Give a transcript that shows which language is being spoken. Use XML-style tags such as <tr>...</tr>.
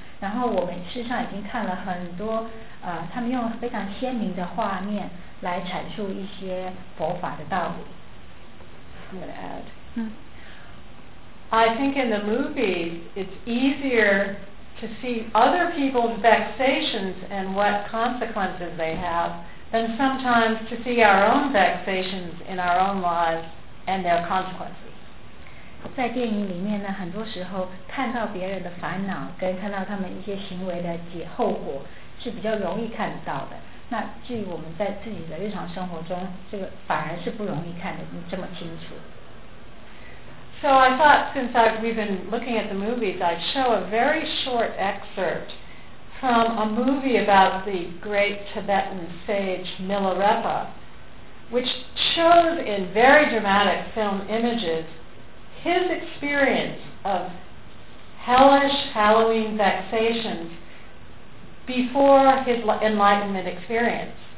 <zh>然后我们事实上已经看了很多他们用非常鲜明的画面来阐述一些佛法的道理。</zh> <en>I'm going to add. I think in the movies, it's easier to see other people's vexations and what consequences they have than sometimes to see our own vexations in our own lives and their consequences.</en> <zh>在电影里面呢，很多时候看到别人的烦恼跟看到他们一些行为的后果是比较容易看到的，那至于我们在自己的日常生活中，这个反而是不容易看得这么清楚。</zh> <en>So I thought since we've been looking at the movies, I'd show a very short excerpt from a movie about the great Tibetan sage Milarepa, which shows in very dramatic film images his experience of hellish Halloween vexations before his enlightenment experience.</en>